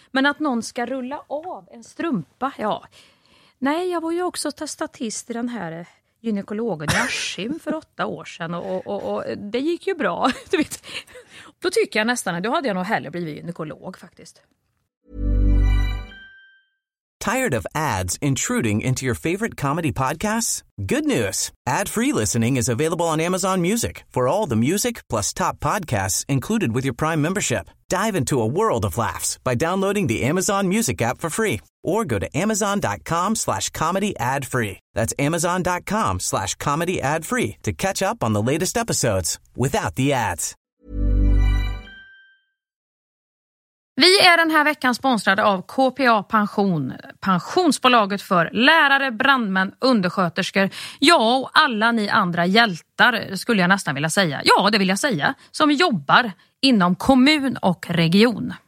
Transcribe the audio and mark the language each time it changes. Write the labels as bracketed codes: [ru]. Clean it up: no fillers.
[sv] Men att någon ska rulla av en strumpa, Nej, jag var ju också statist i den här gynekologen i Askim för 8 år sedan och det gick ju bra. Du vet. Då tycker jag nästan, då hade jag nog hellre blivit gynekolog faktiskt. [en] Tired of ads intruding into your favorite comedy podcasts? Good news! Ad-free listening is available on Amazon Music for all the music plus top podcasts included with your Prime membership. Dive into a world of laughs by downloading the Amazon Music app for free or go to amazon.com/comedyadfree. That's amazon.com/comedyadfree to catch up on the latest episodes without the ads. [sv] Vi är den här veckan sponsrade av KPA Pension, pensionsbolaget för lärare, brandmän, undersköterskor, ja och alla ni andra hjältar skulle jag nästan vilja säga. Ja, det vill jag säga, som jobbar inom kommun och region.